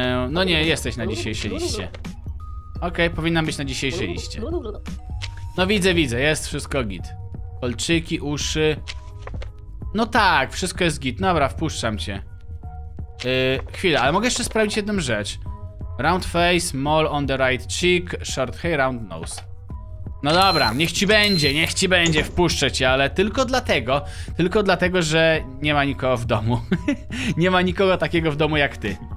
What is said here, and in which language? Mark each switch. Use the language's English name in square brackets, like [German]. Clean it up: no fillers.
[Polish] No nie, jesteś na dzisiejszej liście. Okej, powinna być na dzisiejszej liście. No widzę, jest wszystko git. Kolczyki, uszy. No tak, wszystko jest git. Dobra, wpuszczam cię. Chwila, ale mogę jeszcze sprawdzić jedną rzecz. [English] Round face, mole on the right cheek, short hair, round nose. [Polish] No dobra, niech ci będzie, wpuszczę cię, ale tylko dlatego, że nie ma nikogo w domu. Nie ma nikogo takiego w domu jak ty.